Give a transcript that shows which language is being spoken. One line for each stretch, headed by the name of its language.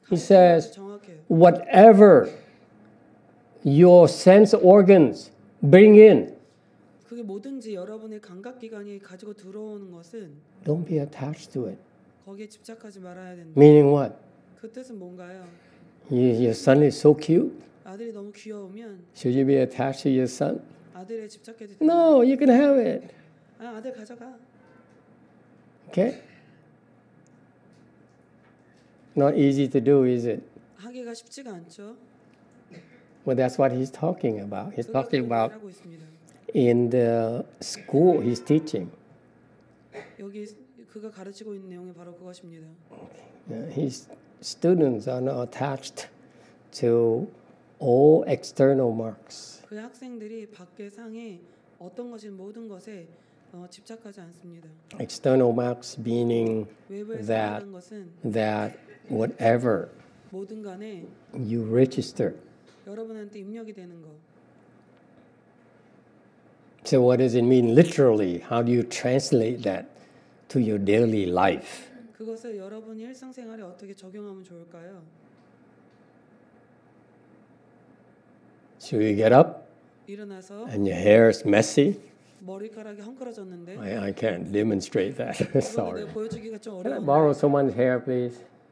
English: He says, whatever your sense organs bring in,
Korean: 그게 뭐든지 여러분의 감각 기관이 가지고 들어오는 것은
English: don't be attached to it.
Korean: 거기에 집착하지 말아야 된다.
English: Meaning what?
Korean: 그 뜻은 뭔가요?
English: Your son is so cute.
Korean: 아들이 너무 귀여우면
English: should you be attached to your son?
Korean: 아들에 집착해도
English: no, you can have it.
Korean: 아, 아들 가져가.
English: Okay? Not easy to do, is it?
Korean: 하기가 쉽지가 않죠.
English: Well, that's what he's talking about. He's talking about
Korean: 있습니다.
English: In the school he's teaching.
Korean: 여기 그가 가르치고 있는 내용이 바로 그것입니다.
English: His students are not attached to all external marks.
Korean: 그 학생들이 밖에 상에 어떤 것인 모든 것에 집착하지 않습니다.
English: External marks meaning that whatever
Korean: 모든 간에
English: you register
Korean: 여러분한테 입력이 되는 거.
English: So what does it mean literally? How do you translate that to your daily life?
Korean: 그것을 여러분 일상생활에 어떻게 적용하면 좋을까요?
English: Should you get up?
Korean: 일어나서.
English: And your hair is messy.
Korean: 머리카락이 헝클어졌는데.
English: I can't demonstrate that. Sorry.
Korean: 내가 보여주기가 좀 어려워.
English: Can I borrow someone's hair, please?